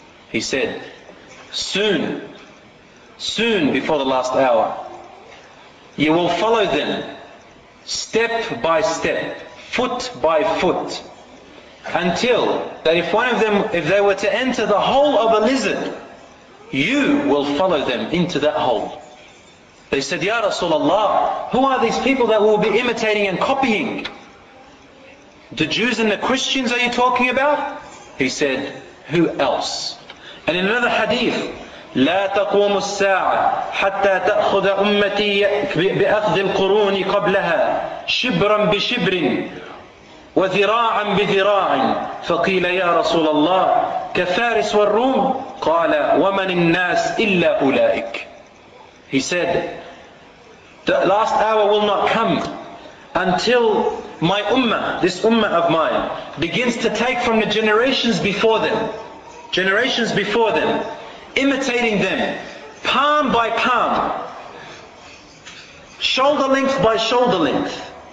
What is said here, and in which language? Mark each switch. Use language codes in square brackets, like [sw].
[en] He said, soon before the last hour, you will follow them step by step, foot by foot, until that if one of them, if they were to enter the hole of a lizard, you will follow them into that hole. They said, Ya Rasulullah, who are these people that will be imitating and copying? The Jews and the Christians are you talking about? He said, who else? And in another hadith, [ar] لا تقوم الساعة حتى تأخذ أمتي بأخذ القرون قبلها شبرا بشبر وذراعا بذراع فقيل يا رسول الله كفارس والروم قال ومن الناس إلا أولئك. [en] He said, the last hour will not come until my ummah, this ummah of mine, begins to take from the generations before them, imitating them, palm by palm, shoulder length by shoulder length.